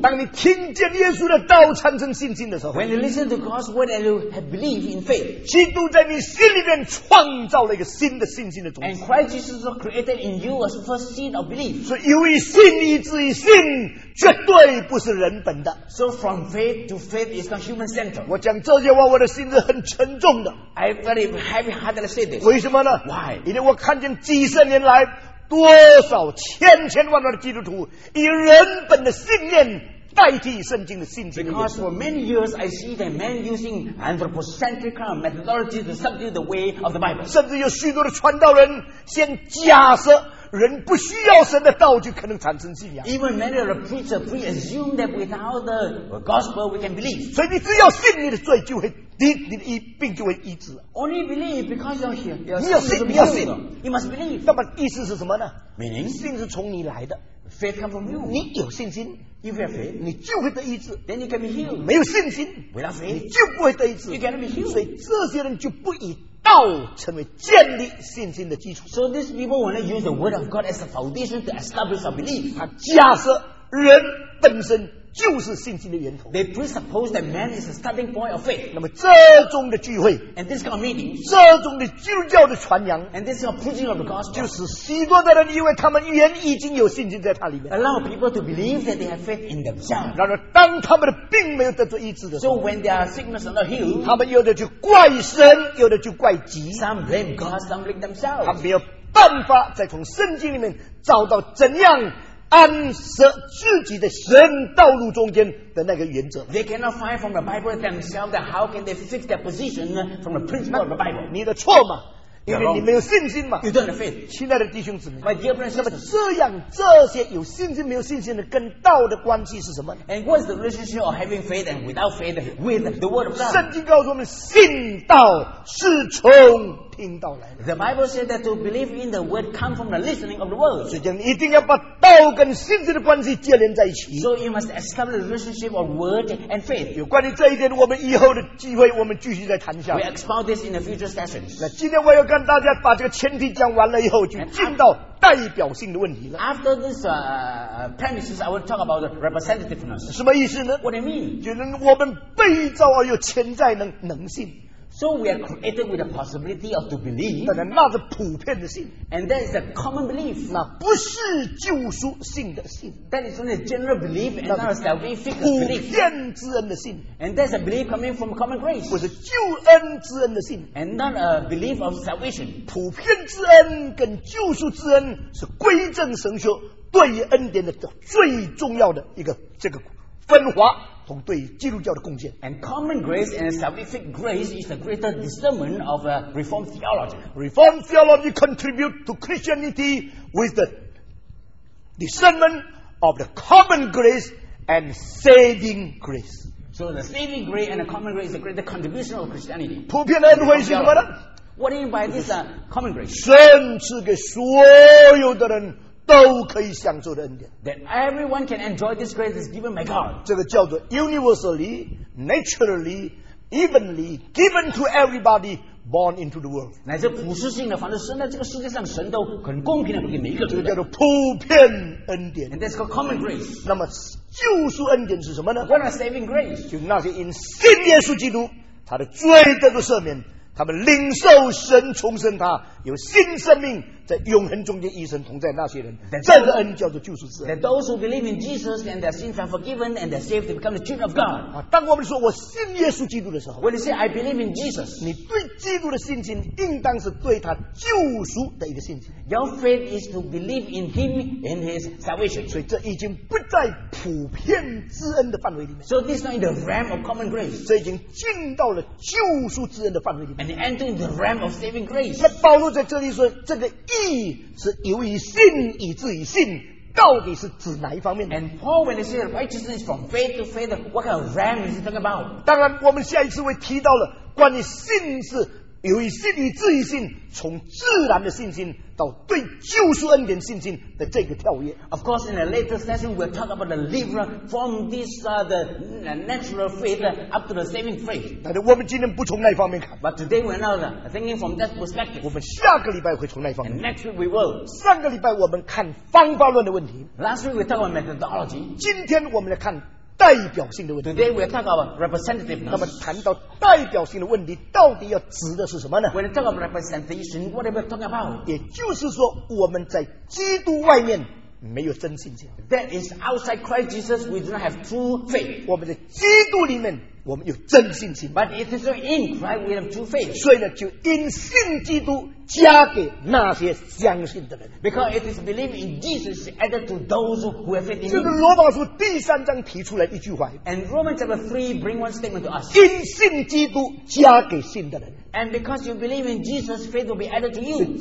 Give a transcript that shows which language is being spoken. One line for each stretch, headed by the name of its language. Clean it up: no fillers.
Chinese: 当你听见耶稣的道产生信心的时候
English: ，When you listen to God's word and you have believe in faith,
Chinese: 基督在你心里面创造了一个新的信心的。
English: And Christ Jesus was created in you as the first seed of belief.
Chinese: 是由于信以至于信，绝对不是人本的。
English: So from faith to faith is not human centered.
Chinese: 我讲这句话，我的心是很沉重的。
English: I very heavy hearted to say this.
Chinese: 为什么呢
English: ？Why？
Chinese: 因为我看见几十年来多少千千万万的基督徒以人本的信念。
English: Because for many years I see that men using anthropocentric methodology to subdue the way of the Bible.
Chinese: 甚至有许多的传道人先假设人不需要神的道就可能产生信仰。
English: Even many of the preachers pre-assume that without the gospel we can believe.
Chinese: 所以你只要信你的罪就会你的一病就会医治。
English: Only believe because you're here.
Chinese: 你要信，你要信。
English: You must believe.
Chinese: 那么意思是什么呢
English: ？Meaning
Chinese: 信是从你来的。
English: Faith comes from you.
Chinese: 你有信心。
English: If you have faith,
Chinese: 你就会得医治。
English: Then you can be healed.
Chinese: 没有信心
English: ，without faith,
Chinese: 你就不会得医治。
English: You cannot be healed.
Chinese: 所以这些人就不以道成为建立信心的基础。
English: So these people want to use the word of God as a foundation to establish a belief.
Chinese: 他假设人本身就是信心的源头。
English: They presuppose that man is the starting point of faith.
Chinese: 那么这种的聚会
English: ，and this kind of meeting,
Chinese: 这种的基督教的传扬
English: ，and this kind of preaching of the gospel,
Chinese: 就是许多的人因为他们原已经有信心在他里面
English: ，allow people to believe that they have faith in themselves.
Chinese: 然而当他们的病没有得到医治的时候
English: ，so when their sickness are not healed,
Chinese: 他们有的就怪神，有的就怪己
English: ，some blame God, some blame themselves.
Chinese: 他没有办法再从圣经里面找到怎样。安设自己的神道路中间的那个原则。
English: They cannot find from the Bible themselves that how can they fix their position from the principle of the Bible.
Chinese: 你的错嘛，因为你没有信心嘛。
English: You don't have faith.
Chinese: 亲爱的弟兄姊妹
English: ，My dear brothers,
Chinese: 那么这样这些有信心没有信心的跟道的关系是什么
English: ？And what's the relationship of having faith and without faith with the word of God?
Chinese: 圣经告诉我们，信道是从。
English: The Bible says that to believe in the word come from the listening of the word.
Chinese: 所以你一定要把道跟信心的关系接连在一起。
English: So you must establish the relationship of word and faith.
Chinese: 有关于这一点，我们以后的机会我们继续再谈一下。
English: We expound this in the future sessions.
Chinese: 那今天我要跟大家把这个前提讲完了以后，就进到代表性的问题了。
English: After this premises, I will talk about the representativeness.
Chinese: 什么意思呢
English: ？What do you mean?
Chinese: 就是我们被造而有潜在能性。
English: So we are created with the possibility of to believe.
Chinese: 但是那是普遍的信。
English: And that is a common belief.
Chinese: 那不是救赎性的信。
English: That is only a general belief and not a salvific belief.
Chinese: 普遍之恩的信。
English: And that's a belief coming from common grace.
Chinese: 不是救恩之恩的信。
English: And not a belief of salvation.
Chinese: 普遍之恩跟救赎之恩是归正神学对于恩典的最重要的一个这个分化。同对基督教的贡献。
English: And common grace and salvific grace is the greater discernment of a Reformed theology. Reformed theology contributes to Christianity with the discernment of the common grace and saving grace. So the saving grace and the common grace is the greater contribution of Christianity.
Chinese: 普遍的恩惠是什么呢？
English: What do you mean by this common grace?
Chinese: 神赐给所有的人都可以享受的恩典。
English: That everyone can enjoy this grace is given by God.
Chinese: 这个叫做
English: universally, naturally, evenly given to everybody born into the world.
Chinese: 乃是普世性的，反正生在这个世界上，神都很公平的给每一个人。这个叫做普遍恩典。
English: And that's called common grace.
Chinese: 那么救赎恩典是什么呢？
English: What are saving grace?
Chinese: 就那些因信耶稣基督，他的罪得赦免。他们领受神重生他有新生命在永恒中间与神同在那些人这个恩叫做救赎之恩
English: that those who believe in Jesus and their sins are forgiven and they're saved to become the children of God、
Chinese: 啊、当我们说我信耶稣基督的时候
English: when you say I believe in Jesus
Chinese: 你对基督的信心应当是对他救赎的一个信心
English: your faith is to believe in him and his salvation
Chinese: 所以这已经不在普遍之恩的范围里面
English: so this is not in the realm of common grace
Chinese: 这已经进到了救赎之恩的范围里面
English: and enter the realm of saving grace
Chinese: 那保罗在这里说这个义是由于信以至于信，到底是指哪一方面
English: ？And Paul, when he says righteousness from faith to faith, what kind of realm is he talking about?
Chinese: 当然，我们下一次会提到了关于信是由于信以至于信，从自然的信心到对救赎恩典信心的这个跳跃。
English: Of course, in a later session, we'll talk about the liberal from this the natural faith up to the saving faith.
Chinese: 但是我们今天不从那一方面看。
English: But today we're not thinking from that perspective.
Chinese: 我们下个礼拜会从那一方面。
English: And next week we will.
Chinese: 上个礼拜我们看方法论的问题。
English: Last week we talked about methodology.
Chinese: 今天我们来看。代表性的问题。
English: Today we talk about representativeness.
Chinese: 那么谈到代表性的问题，到底要指的是什么呢
English: ？When we talk about representation, what are we talking about?
Chinese: 也就是说，我们在基督外面没有真信心。
English: That is outside Christ Jesus, we do not have true faith.
Chinese: 我们在基督里面，我们有真信心。
English: But it is in Christ we have true faith.
Chinese: 所以呢，就因信基督加给那些相信的人。
English: Because it is believing in Jesus added to those who have faith in
Chinese: him. 这是罗马书第三章提出来一句话。
English: And Romans chapter 3 bring one statement to us.
Chinese: 因信基督加给信的人。
English: And because you believe in Jesus, faith will be added to you.